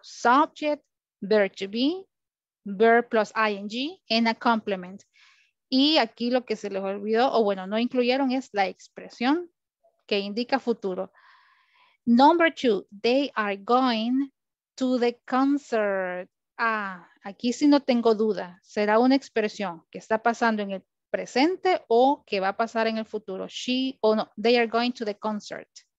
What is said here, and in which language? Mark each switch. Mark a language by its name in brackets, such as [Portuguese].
[English] Subject, verb to be, verb plus ing and a complement. [Spanish] Y aquí lo que se les olvidó, o bueno, no incluyeron, es la expresión que indica futuro. [English] Number two, they are going to the concert. [Spanish] Ah, aquí sí no tengo duda. Será una expresión que está pasando en el presente o que va a pasar en el futuro. [English] She o no, they are going to the concert.